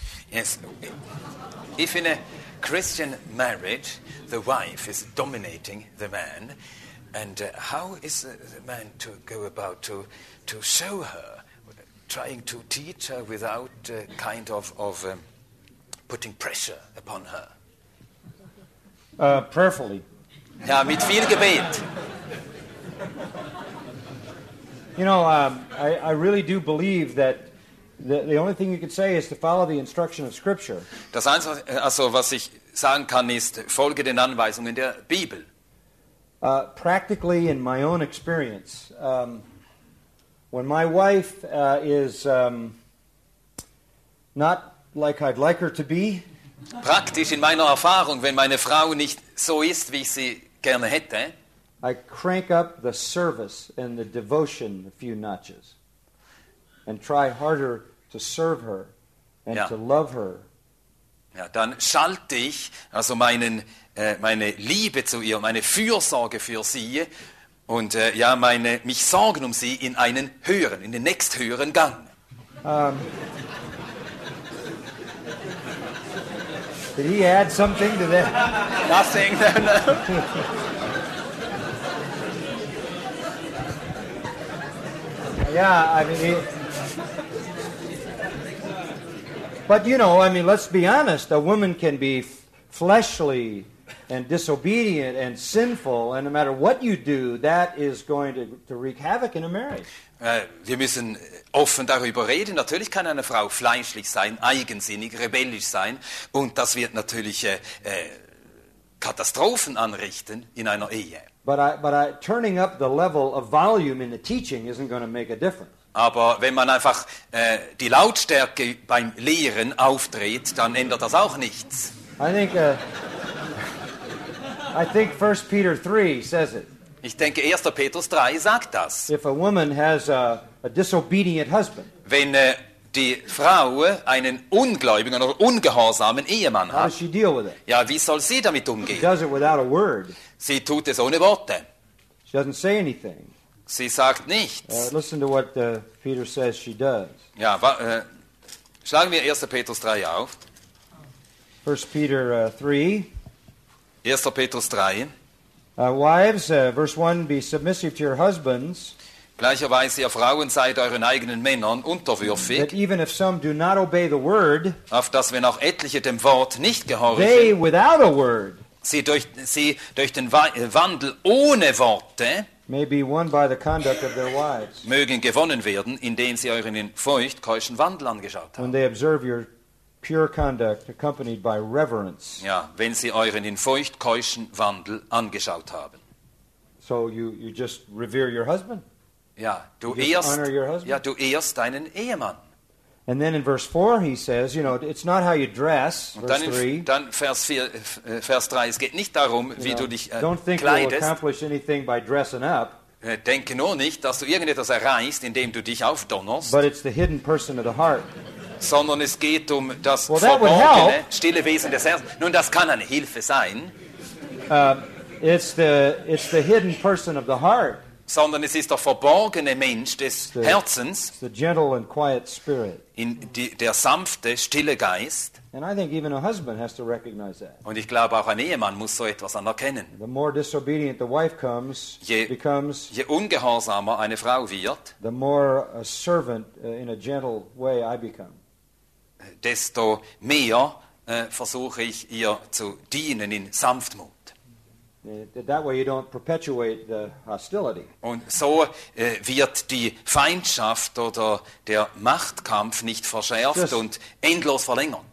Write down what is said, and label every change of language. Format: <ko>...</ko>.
<en>Yes, if in a Christian marriage the wife is dominating the man, and how is the man to go about to show her, trying to teach her without kind of putting pressure upon her? Prayerfully.</en> <de>Ja, mit viel Gebet.</de> <en>You know, I really do believe that the only thing you could say is to follow the instruction of Scripture.</en> <de>Das Einzige, also was ich sagen kann, ist, folge den Anweisungen der Bibel.</de> <en>Practically, in my own experience, when my wife is not like I'd like her to be.</en> <de>Praktisch in meiner Erfahrung, wenn meine Frau nicht so ist, wie ich sie gerne hätte.</de> <en>I crank up the service and the devotion a few notches, and try harder to serve her and to love her.</en> <de>Ja, dann schalte ich also meine Liebe zu ihr, meine Fürsorge für sie und meine mich Sorgen um sie in einen höheren, in den nächsthöheren Gang.</de> <en>Did he add something to that? Nothing. No. Yeah, I mean, but you know, I mean, let's be honest. A woman can be fleshly and disobedient and sinful, and no matter what you do, that is going to wreak havoc in a marriage.</en> <de>Wir müssen offen darüber reden. Natürlich kann eine Frau fleischlich sein, eigensinnig, rebellisch sein, und das wird natürlich Katastrophen anrichten in einer Ehe.</de> <en>But turning up the level of volume in the teaching isn't going to make a difference.</en> <de>Aber wenn man einfach die Lautstärke beim Lehren aufdreht, dann ändert das auch nichts.</de> <en>I think 1 Peter 3 says it.</en> <de>Ich denke, 1. Petrus 3 sagt das.</de> <en>If a woman has a disobedient husband,</en> <de>wenn die Frau einen ungläubigen oder ungehorsamen Ehemann hat,</de> <en>how does she deal with it?</en> <de>Ja, wie soll sie damit umgehen?</de> <en>She does it without a word.</en> <de>Sie tut es ohne Worte.</de> <en>She doesn't say anything.</en> <de>Sie sagt nichts.</de> <en>Listen to what Peter says she does.</en> <de>Ja, schlagen wir 1. Petrus 3 auf. 1. Petrus 3.</de> <en>Wives, verse 1, be submissive to your husbands.</en> <de>Gleicherweise, ihr Frauen, seid euren eigenen Männern unterwürfig.</de> <en>That even if some do not obey the word,</en> <de>auf dass wenn auch etliche dem Wort nicht gehorchen,</de> <en>they without a word,</en> <de>sie durch den Wandel ohne Worte,</de> <en>may be won by the conduct of their wives.</en> <de>Mögen gewonnen werden, indem sie euren in Furcht keuschen Wandel angeschaut haben.</de> <en>When they observe your pure conduct accompanied by reverence.</en> <de>Ja, wenn sie euren in Furcht keuschen Wandel angeschaut haben.</de> <en>So you just revere your husband.</en> <de>Ja, du ehrst deinen Ehemann.</de> <en>And then in verse 4 he says, you know, it's not how you dress, verse 3.</en> <de>Dann Vers 3, es geht nicht darum, wie du dich kleidest.</de> <en>Don't think you'll accomplish anything by dressing up.</en> <de>Denke nur nicht, dass du irgendetwas erreichst, indem du dich aufdonnerst.</de> <en>But it's the hidden person of the heart.</en> <de>Sondern es geht um das verborgene, stille Wesen des Herzens. Nun, das kann eine Hilfe sein.</de> <en>It's the hidden person of the heart.</en> <de>Sondern es ist der verborgene Mensch des Herzens.</de> <en>The gentle and quiet spirit.</en> <de>Der sanfte, stille Geist.</de> <en>And I think even a husband has to recognize that.</en> <de>Und ich glaube, auch ein Ehemann muss so etwas anerkennen.</de> <en>The more disobedient the wife comes,</en> <de>je ungehorsamer eine Frau wird,</de> <en>the more a servant in a gentle way I become.</en> <de>Desto mehr versuche ich ihr zu dienen in Sanftmut.</de> <en>That way you don't perpetuate the hostility.</en> <de>Und so wird die Feindschaft oder der Machtkampf nicht verschärft und endlos verlängert.</de>